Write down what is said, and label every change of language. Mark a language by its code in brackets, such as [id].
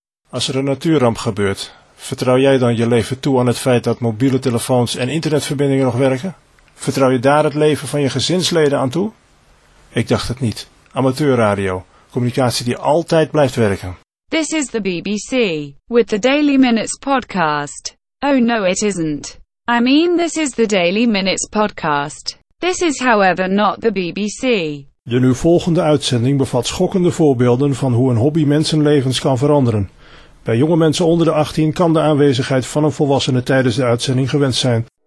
[nl] Als er een natuurramp gebeurt, vertrouw jij dan je leven toe aan het feit dat mobiele telefoons en internetverbindingen nog werken? Vertrouw je daar het leven van je gezinsleden aan toe? Ik dacht het niet. Amateurradio, communicatie die altijd blijft werken. [en] This is the BBC, with the Daily Minutes podcast. Oh no, it isn't. I mean, this is the Daily Minutes podcast. This is however not the BBC. [nl] De nu volgende uitzending bevat schokkende voorbeelden van hoe een hobby mensenlevens kan veranderen. Bij jonge mensen onder de 18 kan de aanwezigheid van een volwassene tijdens de uitzending gewenst zijn.